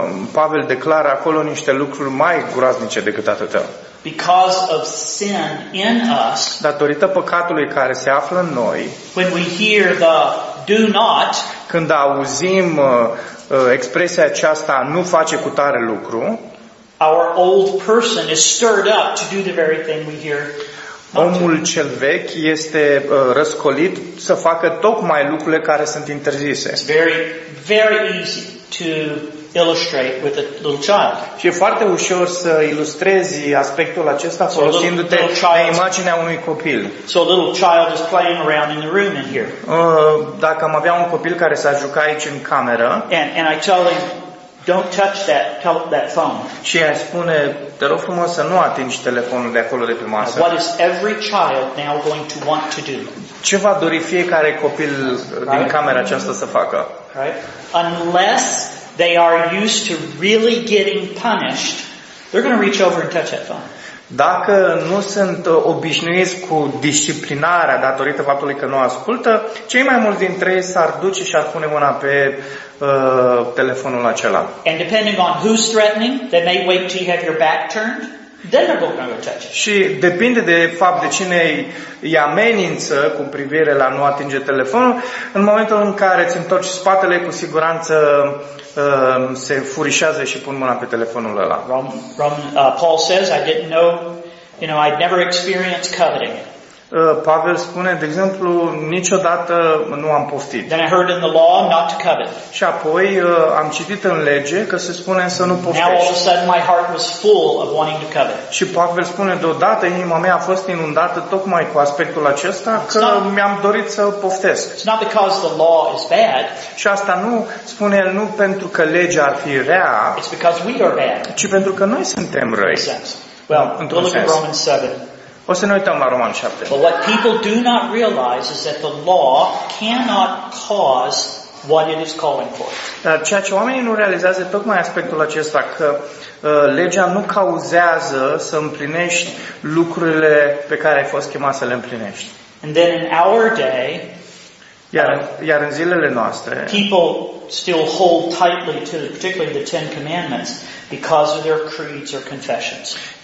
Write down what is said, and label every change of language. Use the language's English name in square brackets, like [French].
[Romanian] Pavel declară acolo niște lucruri mai groaznice decât atâtea. [English] Because of sin in us, [Romanian] datorită păcatului care se află în noi, [English] when we hear the do not, [Romanian] când auzim expresia aceasta nu face cu tare lucru, [English] our old person is stirred up to do the very thing we hear. [Romanian] Omul cel vechi este răscolit să facă tocmai lucrurile care sunt interzise. [English] It's very, very easy to illustrate with a little child. [Romanian] Și e foarte ușor să ilustrezi aspectul acesta folosindu-te de imaginea unui copil. [English] So a little child is playing around in the room in here. [Romanian] Dacă am avea un copil care s-a juca aici în cameră. [English] And I tell him, don't touch that phone. [Romanian] Și îi spune, te rog frumos să nu atingi telefonul de acolo de pe masă. [English] What is every child now going to want to do? [Romanian] Ce va dori fiecare copil din camera aceasta să facă? [English] Right? Unless they are used to really getting punished, they're going to reach over and touch that phone. [Romanian] Dacă nu sunt obișnuiți cu disciplinarea datorită faptului că nu ascultă, cei mai mulți dintre ei s-ar duce și ar pune mâna pe telefonul acela. [English] And depending on who's threatening, they may wait till you have your back turned. Then they're going to touch it. [Romanian] Și depinde de fapt de cine îi amenință cu privire la nu atinge telefonul, în momentul în care îți întorci spatele, cu siguranță se furișează și pun mâna pe telefonul ăla. [English] Paul says, I didn't know, you know, I'd never experienced coveting. [Romanian] Pavel spune, de exemplu, niciodată nu am poftit. [English] Then I heard in the law not to covet. [Romanian] Și apoi am citit în lege că se spune să nu poftești. [English] Now all of a sudden my heart was full of wanting to covet. [Romanian] Și Pavel spune, deodată inima mea a fost inundată tocmai cu aspectul acesta că mi-am dorit să poftesc. [English] It's not because the law is bad. [Romanian] Și asta nu, spune el, nu pentru că legea ar fi rea. [English] It's because we are bad. [Romanian] Ci pentru că noi suntem răi. [English] Well, we'll look at Romans 7. [Romanian] O să ne uităm la Roman 7. [English] But what people do not realize is that the law cannot cause what it is calling for. [Romanian] Ceea ce oamenii nu realizează tocmai aspectul acesta, că legea nu cauzează să împlinești lucrurile pe care ai fost chemat să le împlinești. [English] And then in our day, [Romanian] iar în zilele noastre, [English] people still hold tightly to particularly the Ten Commandments because of their creeds or confessions.